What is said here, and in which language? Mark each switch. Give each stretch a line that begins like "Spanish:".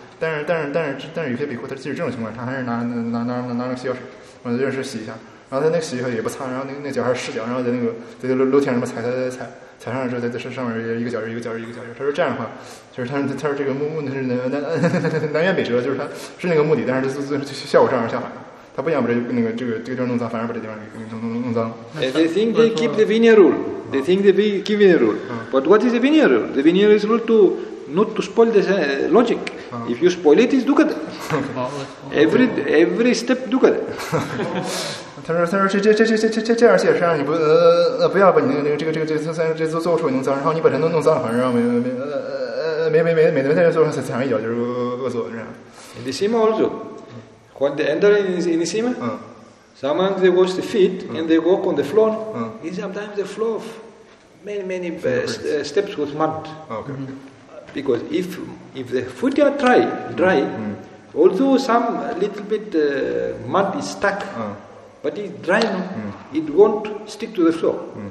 Chinese: 但是有些比丘，他即使这种情况，他还是拿个洗脚水，我就是洗一下，然后他那个洗一下也不擦，然后那脚还是湿脚，然后在那个在楼梯上踩上了之后，在上面一个脚印。他说这样的话，就是他说这个目的是南辕北辙，就是他是那个目的，但是这效果正好相反。他不想把这个地方弄脏，反而把这地方给弄脏了。
English: They think they keep the vinaya rule. They think they keep vinaya rule. But what is the vinaya rule? The vinaya is rule to not to spoil the logic. If you spoil it, it's dukkha. Every step dukkha.
Chinese: 他说这样解释，让你不要把你这个做出来弄脏，然后你把它弄脏，反而让没做上踩上一脚就是恶作这样。
English: The same also. When they enter in the sima, sometimes they wash the feet and they walk on the floor. Sometimes the floor of many steps with mud. Because if the foot are dry, although some little bit mud is stuck, but it's dry, it won't stick to the floor.